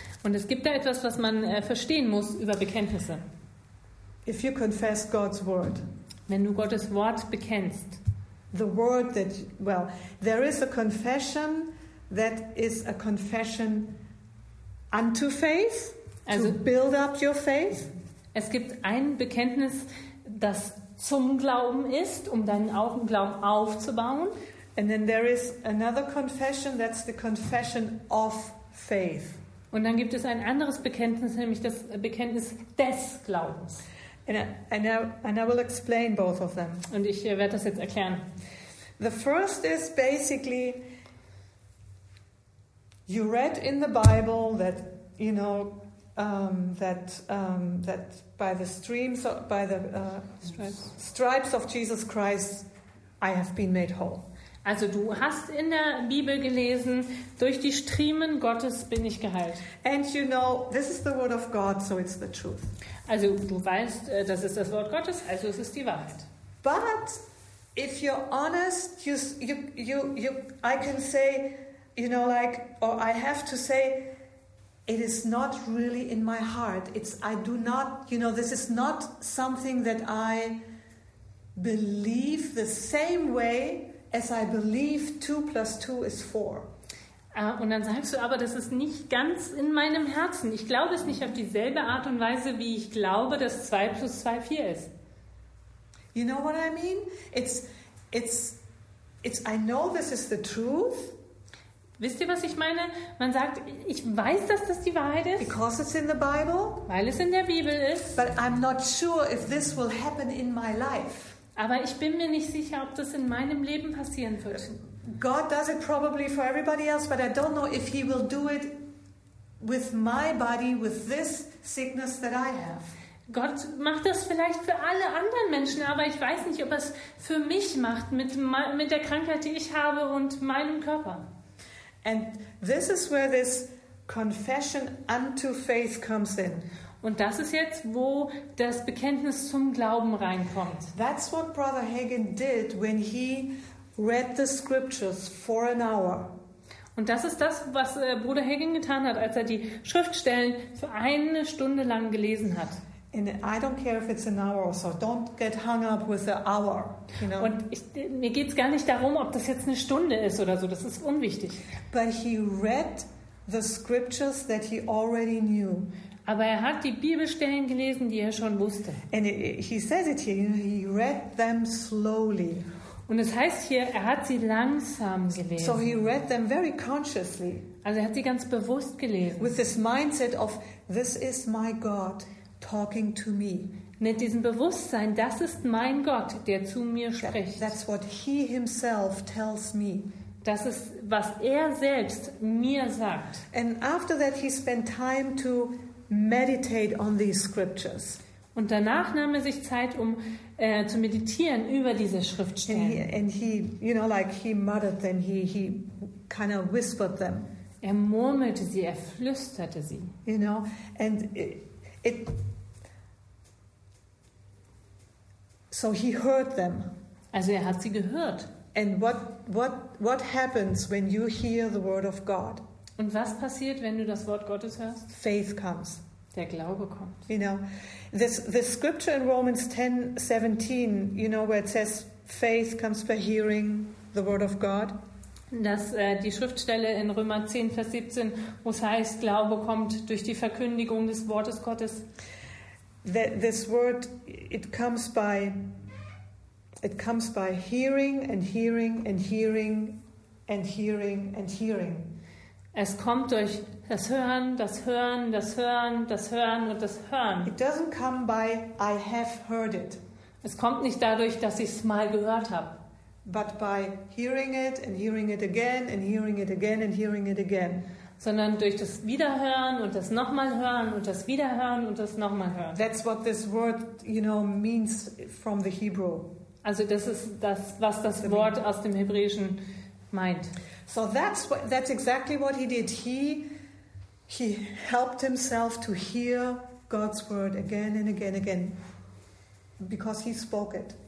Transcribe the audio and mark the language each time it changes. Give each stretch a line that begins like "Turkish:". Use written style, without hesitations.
German: Und es gibt da etwas, was man verstehen muss über Bekenntnisse.
English: If you confess God's word.
German: Wenn du Gottes Wort bekennst.
English: The word that, well, there is a confession that is a confession unto faith, also, to build up your faith.
German: Es gibt ein Bekenntnis, das zum Glauben ist, um deinen Glauben aufzubauen.
English: And then there is another confession, that's the confession of faith.
German: Und dann gibt es ein anderes Bekenntnis, nämlich das Bekenntnis des Glaubens.
English: And I will explain both of them.
German: Und ich werde das jetzt erklären.
English: The first is basically, you read in the Bible that, you know, that by the streams, by the stripes of Jesus Christ, I have been made whole.
German: Also du hast in der Bibel gelesen, durch die Striemen Gottes bin ich geheilt.
English: And you know, this is the word of God, so it's the truth.
German: Also du weißt, das ist das Wort Gottes, also es ist die Wahrheit.
English: But if you're honest, you I can say, you know, like, or I have to say, it is not really in my heart. It's, I do not, you know, this is not something that I believe the same way as I believe 2 + 2 = 4.
German: Und dann sagst du aber, das ist nicht ganz in meinem Herzen. Ich glaube es nicht auf dieselbe Art und Weise, wie ich glaube, dass 2 + 2 = 4 ist.
English: You know what I mean? It's I know this is the truth.
German: Wisst ihr, was ich meine? Man sagt, ich weiß, dass das die Wahrheit ist.
English: Because it's in the Bible.
German: Weil es in der Bibel ist.
English: But I'm not sure if this will happen in my life.
German: Aber ich bin mir nicht sicher, ob das in meinem Leben passieren wird.
English: God does it probably for everybody else, but I don't know if he will do it with my body, with this sickness that I have.
German: Gott macht das vielleicht für alle anderen Menschen, aber ich weiß nicht, ob er es für mich macht, mit der Krankheit, die ich habe und meinem Körper.
English: And this is where this confession unto faith comes in.
German: Und das ist jetzt, wo das Bekenntnis zum Glauben reinkommt.
English: That's what Brother Hagen did when he read the scriptures for an hour.
German: Und das ist das, was Bruder Hagen getan hat, als er die Schriftstellen für eine Stunde lang gelesen hat.
English: And I don't care if it's an hour or so. Don't get hung up with the hour, you know.
German: Und ich, mir geht's gar nicht darum, ob das jetzt eine Stunde ist oder so. Das ist unwichtig.
English: But he read the scriptures that he already knew.
German: Aber er hat die Bibelstellen gelesen, die er schon wusste.
English: And he says it here, you know, he read them slowly.
German: Und es heißt hier, er hat sie langsam gelesen.
English: So he read them very consciously.
German: Also er hat sie ganz bewusst gelesen.
English: With this mindset of, this is my God talking to me.
German: Mit diesem Bewusstsein, das ist mein Gott, der zu mir spricht.
English: That's what he himself tells me.
German: Das ist, was er selbst mir sagt.
English: And after that he spent time to meditate on these scriptures.
German: Und danach nahm er sich Zeit, um zu meditieren über diese Schriftstellen.
English: And he, you know, like he muttered them, he kind of whispered them.
German: Er murmelte sie, er flüsterte sie.
English: You know, and so he heard them.
German: Also er hat sie gehört.
English: And what happens when you hear the word of God?
German: Und was passiert, wenn du das Wort Gottes hörst?
English: Faith comes.
German: Der Glaube kommt.
English: You know, this scripture in Romans 10:17, you know, where it says faith comes by hearing the word of God.
German: Das die Schriftstelle in Römer 10, Vers 17, wo es heißt, Glaube kommt durch die Verkündigung des Wortes Gottes.
English: This word, it comes by hearing and hearing and hearing and hearing and hearing.
German: Es kommt durch das Hören, das Hören, das Hören, das Hören und das Hören.
English: It doesn't come by I have heard it.
German: Es kommt nicht dadurch, dass ich es mal gehört habe.
English: But by hearing it and hearing it again and hearing it again and hearing it again.
German: Sondern durch das Wiederhören und das nochmal Hören und das Wiederhören und das nochmal Hören.
English: That's what this word, you know, means from the Hebrew.
German: Also das ist das, was das Wort aus dem Hebräischen meint.
English: So that's exactly what he did. He helped himself to hear God's word again and again and again, because he spoke it.